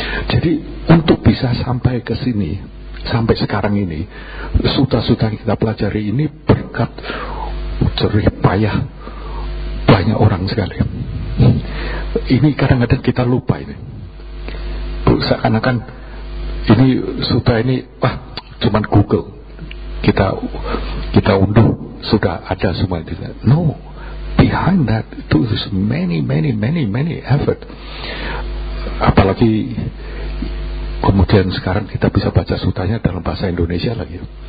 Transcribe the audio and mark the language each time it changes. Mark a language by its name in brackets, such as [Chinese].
[Indonesian] Jadi untuk bisa sampai ke sini sampai sekarang ini, sutra-sutra kita pelajari ini berkat jerih payah banyak orang sekali. Ini kadang-kadang kita lupa ini. Seakan-akan ini sutra ini cuman Google. Kita unduh sudah ada semua itu. [English] No, behind that there's many effort. [Indonesian] Apalagi kemudian sekarang kita bisa baca sutanya dalam bahasa Indonesia lagi.